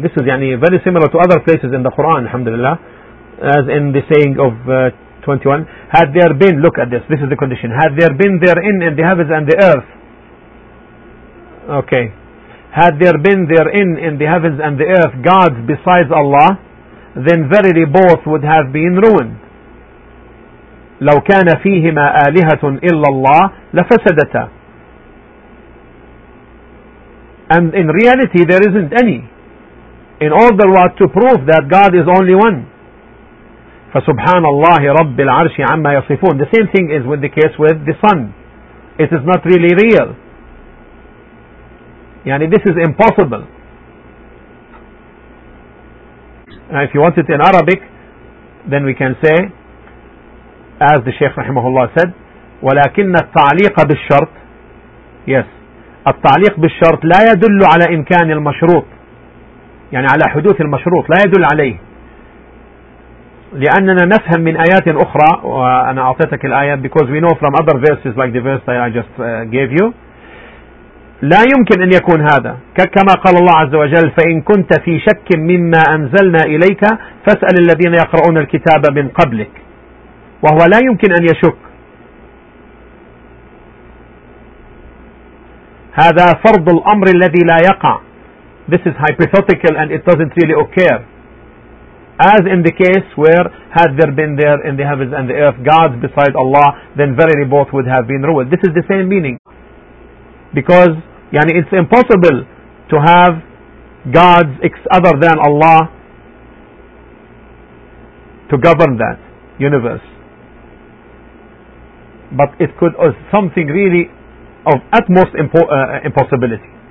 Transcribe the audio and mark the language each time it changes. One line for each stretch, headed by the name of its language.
English: This is يعني, very similar to other places in the Quran, alhamdulillah, as in the saying of 21, had there been, look at this is the condition, had there been therein in the heavens and the earth, okay, had there been therein in the heavens and the earth gods besides Allah, then verily both would have been ruined.
Arabic: لو كان فيهما آلهة إلا الله لفسدتا.
English: And in reality there isn't any, in order what to prove that God is only one.
Arabic: فسبحان الله رب العرش عما يصفون.
English: The same thing is with the case with the sun. It is not really real. Yani this is impossible. Now if you want it in Arabic, then we can say, as the Shaykh rahimahullah said,
Arabic: ولكن التعليق بالشرط,
English: yes,
Arabic: التعليق بالشرط لا يدل على إمكان المشروط, يعني على حدوث المشروط لا يدل عليه, لأننا نفهم من آيات أخرى, وأنا أعطيتك الآية,
English: because we know from other verses like the verse that I just gave you,
Arabic: لا يمكن أن يكون هذا, كما قال الله عز وجل, فإن كنت في شك مما أنزلنا إليك فاسأل الذين يقرؤون الكتاب من قبلك, وهو لا يمكن أن يشك, هذا فرض الأمر الذي لا يقع.
English: This is hypothetical and it doesn't really occur, as in the case where had there been there in the heavens and the earth gods beside Allah, then verily both would have been ruled. This is the same meaning, because yani it's impossible to have gods other than Allah to govern that universe, but it could be something really of utmost impossibility.